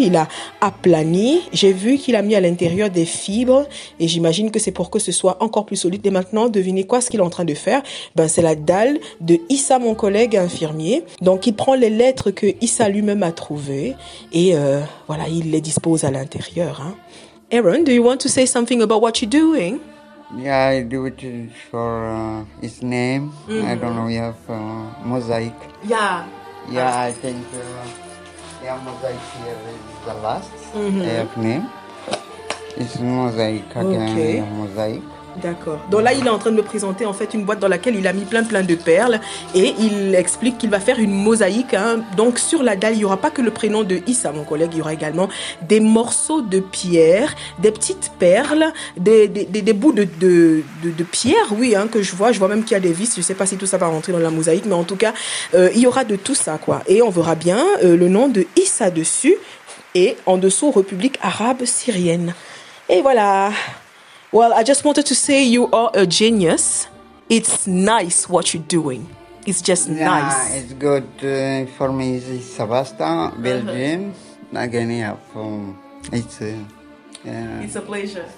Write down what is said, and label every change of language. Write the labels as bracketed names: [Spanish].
[French] Il a aplani. J'ai vu qu'il a mis à l'intérieur des fibres. Et j'imagine que c'est pour que ce soit encore plus solide. Et maintenant, devinez quoi, ce qu'il est en train de faire? Ben, c'est la dalle de Issa, mon collègue infirmier. Donc, il prend les lettres que Issa lui-même a trouvées. Et voilà, il les dispose à l'intérieur. Huh? [English] Aaron, do you want to say something about what you're doing? Yeah, I do it for his name. Mm-hmm. I don't know, we have mosaic. Yeah. Yeah, I think the mosaic here is the last. Mm-hmm. I have name. It's mosaic. Again, okay. Mosaic. [French] D'accord. Donc là, il est en train de me présenter en fait une boîte dans laquelle il a mis plein de perles et il explique qu'il va faire une mosaïque. Hein. Donc sur la dalle, il n'y aura pas que le prénom de Issa, mon collègue, il y aura également des morceaux de pierre, des petites perles, des bouts de pierre, oui, hein, que je vois. Je vois même qu'il y a des vis, je ne sais pas si tout ça va rentrer dans la mosaïque, mais en tout cas, il y aura de tout ça, quoi. Et on verra bien le nom de Issa dessus et en dessous, République arabe syrienne. Et voilà. [English] Well, I just wanted to say you are a genius. It's nice what you're doing. It's just nice. Yeah, it's good for me. It's Svasta, Belgium. Uh-huh. Again, yeah, from it's. It's a pleasure.